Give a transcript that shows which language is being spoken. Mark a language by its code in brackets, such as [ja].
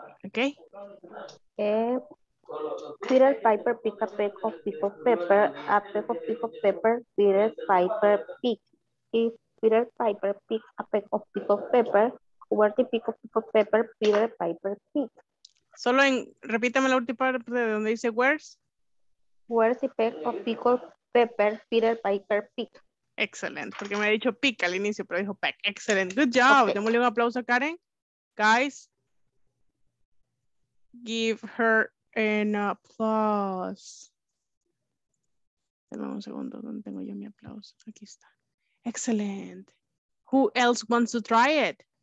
[en] Okay. Peter Piper picked a peck of pickled pepper. A peck of pickled pepper, Peter Piper picked. If Peter Piper picked a peck of pickled pepper, where the peck of pickled pepper, Peter Piper picked? [es] Solo en, repítame la última parte de donde dice where's. [en] Where's the peck of pickled pepper, Peter Piper picked? Excellent, [es] porque me ha dicho pick al inicio, pero dijo peck. [en] Excellent, good job. Okay. [es] Démosle un aplauso a Karen. [en] Guys. Give her an applause. [es] Dame un segundo, ¿dónde tengo yo mi aplauso? Aquí está. [en] Excellent. Who else wants to try it?